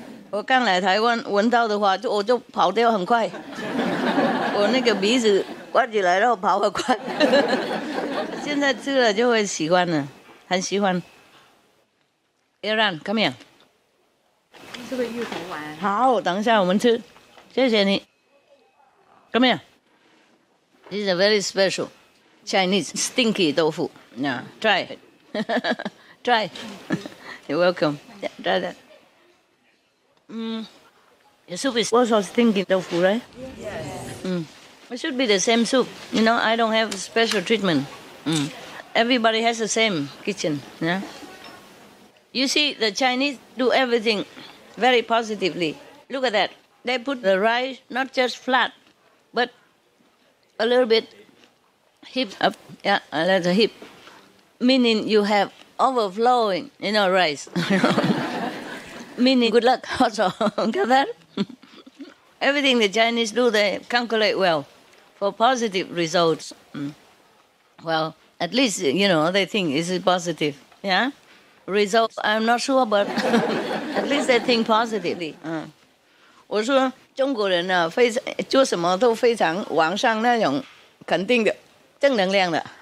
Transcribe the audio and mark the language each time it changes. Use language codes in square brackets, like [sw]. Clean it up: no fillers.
[zh] 我刚来台湾闻到的话，我就跑掉很快， 我那个鼻子关起来，然后跑很快。 现在吃了就会喜欢了，很喜欢。 [en] Aaron, come here. [zh] 你是不是芋头丸？好，等一下我们吃，谢谢你。 [en] Come here. This is a very special Chinese stinky tofu. Yeah, try it. Try. You're welcome. Yeah, try that. Your soup is also stinky tofu, right? Yes. It should be the same soup. You know, I don't have special treatment. Everybody has the same kitchen. Yeah. You see, the Chinese do everything very positively. Look at that. They put the rice not just flat, but a little bit hip up. Yeah, a little hip. Meaning you have overflowing, you know, rice. Meaning good luck also. Got that? Everything the Chinese do, they calculate well for positive results. Well, at least, you know, they think this is positive. Yeah? Results, I'm not sure, but at least they think positively. [zh] 我说中国人啊，非常做什么都非常往上那种肯定的。